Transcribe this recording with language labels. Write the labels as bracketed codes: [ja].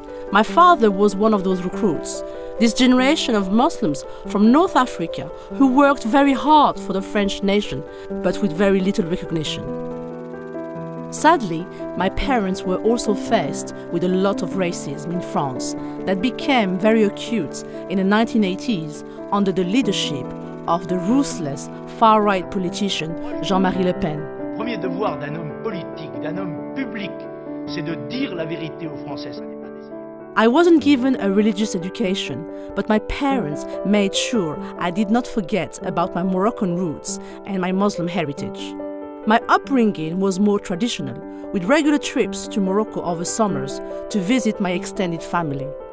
[en] My father was one of those recruits, this generation of Muslims from North Africa who worked very hard for the French nation, but with very little recognition. Sadly, my parents were also faced with a lot of racism in France that became very acute in the 1980s under the leadership of the ruthless far-right politician Jean-Marie Le Pen. [fr] Premier devoir d'un homme politique, d'un homme public, c'est de dire la vérité aux Français. [en] I wasn't given a religious education, but my parents made sure I did not forget about my Moroccan roots and my Muslim heritage. My upbringing was more traditional, with regular trips to Morocco over summers to visit my extended family.